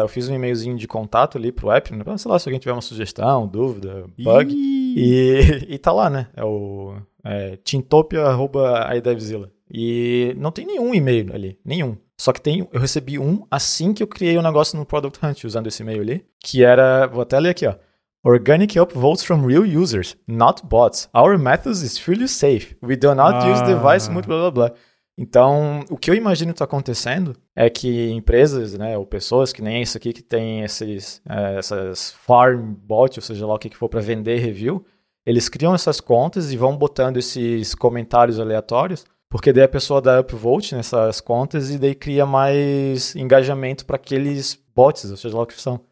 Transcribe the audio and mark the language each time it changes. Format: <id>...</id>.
<pt>Eu fiz um e-mailzinho de contato ali pro app, sei lá, se alguém tiver uma sugestão, dúvida, bug. E tá lá, né? É o... tintopia@idevzilla. E não tem nenhum e-mail ali, nenhum. Só que tem, eu recebi um assim que eu criei um negócio no Product Hunt usando esse e-mail ali, que era, vou até ler aqui, ó.</pt> <en>Organic upvotes from real users, not bots. Our methods is fully safe. We do not use device,</en> <pt>muito blá blá blá. Então, o que eu imagino que tá acontecendo é que empresas, né, ou pessoas que nem isso aqui, que tem essas farm bots, ou seja lá o que for, para vender review, eles criam essas contas e vão botando esses comentários aleatórios, porque daí a pessoa dá upvote nessas contas e daí cria mais engajamento para aqueles bots, ou seja lá o que são.</pt>